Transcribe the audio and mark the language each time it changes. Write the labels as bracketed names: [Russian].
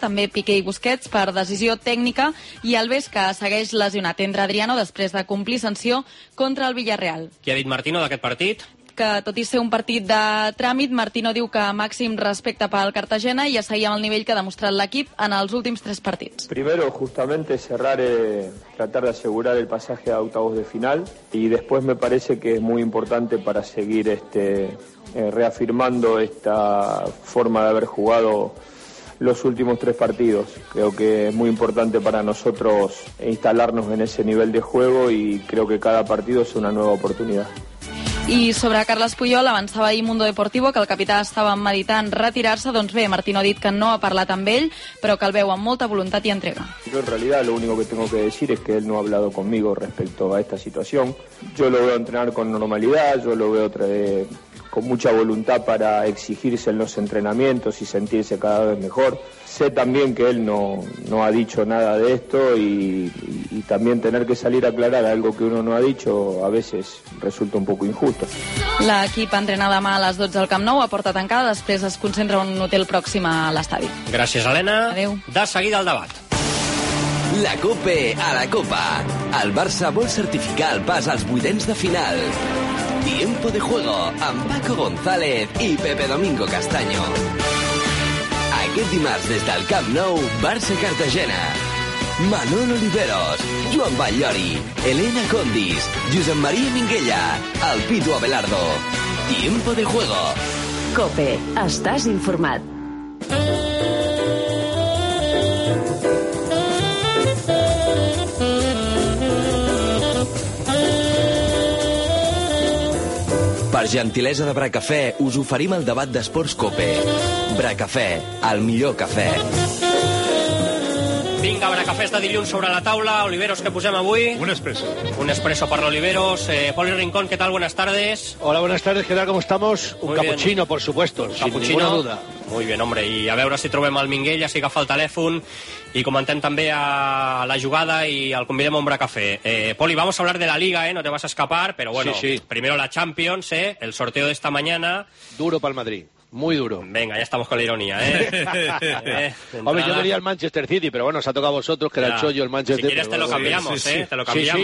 [Catalan] També Piqué i Busquets per decisió tècnica. I el Ves, que segueix lesionat. Entra Adriano després de complir sanció contra el Villarreal. Què ha dit Martino d'aquest partit? que, tot i ser un partit de tràmit, Martino diu que màxim respecte pel Cartagena i a seguir amb el nivell que ha demostrat l'equip en els últims tres partits. [Spanish] Primero, justamente, cerrar, tratar de asegurar el pasaje a octavos de final y después me parece que es muy importante para seguir reafirmando esta forma de haber jugado los últimos tres partidos. Creo que es muy importante para nosotros instalarnos en ese nivel de juego y creo que cada partido es una nueva oportunidad. [Catalan] I sobre Carles Puyol, avançava ahir Mundo Deportivo que el capità estava meditant retirar-se. Doncs bé, Martino ha dit que no ha parlat amb ell, però que el veu amb molta voluntat i entrega. [Spanish] Yo en realidad lo único que tengo que decir es que él no ha hablado conmigo respecto a esta situación. Yo lo veo entrenar con normalidad, yo lo veo con mucha voluntad para exigirse en los entrenamientos y sentirse cada vez mejor. Sé también que él no ha dicho nada de esto y también tener que salir a aclarar algo que uno no ha dicho a veces resulta un poco injusto. [Catalan] L'equip entrena demà a les 12 al Camp Nou, a porta tancada, després es concentra en un hotel pròxim a l'estadi. Gràcies, Helena. Adéu. De seguida el debat. La Copa a la Copa. El Barça vol certificar el pas als vuitens de final. Tiempo de juego amb Paco González i Pepe Domingo Castaño. Aquest dimarts des del Camp Nou, Barça-Cartagena. Manuel Oliveros, Joan Ballori, Elena Condis, Josep Maria Minguella, el Pitu Abelardo. Tiempo de juego. COPE, estàs informat. Per gentilesa de Bracafé, us oferim el debat d'Esports COPE. Bracafé, el millor cafè. Vinga, Bracafé, és de dilluns sobre la taula. Oliveros, què posem avui? Un espresso. Un espresso per l'Oliveros. Poli Rincón, què tal? [Spanish] Buenas tardes. Hola, buenas tardes. ¿Qué tal? ¿Cómo estamos? Un cappuccino, por supuesto. Cappuccino. Sin ninguna duda. Muy bien, hombre. [Catalan] I a veure si trobem el Minguell, ja s'agafa el telèfon. I comentem també a la jugada i el convidem a un Bracafé. [Spanish] Poli, vamos a hablar de la Liga, ¿eh? No te vas a escapar. Pero bueno, sí. Primero la Champions, ¿eh? El sorteo de esta mañana. Duro pel Madrid. Muy duro. Venga, ya estamos con la ironía, ¿eh? Hombre, yo quería el Manchester City, pero bueno, se ha tocado a vosotros, que era el chollo, el Manchester... Si quieres te lo cambiamos, sí, ¿eh? Sí, te lo cambiamos.